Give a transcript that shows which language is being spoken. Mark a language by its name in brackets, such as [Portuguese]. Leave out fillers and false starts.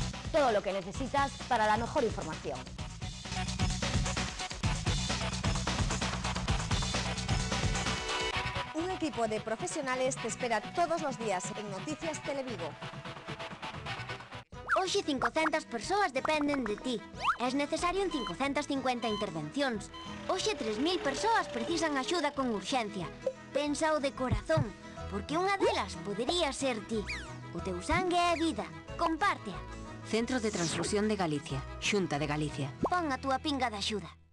[Spanish] Todo lo que necesitas para la mejor información. Un equipo de profesionales te espera todos los días en Noticias Televigo. [Galician] Hoxe 500 persoas dependen de ti. Es necesario en 550 intervencións. Hoxe 3.000 persoas precisan axuda con urxencia. Pénsao de corazón, porque unha delas podería ser ti. O teu sangue é vida. Compártea. Centro de Transfusión de Galicia. Xunta de Galicia. Pon a túa pinga de axuda.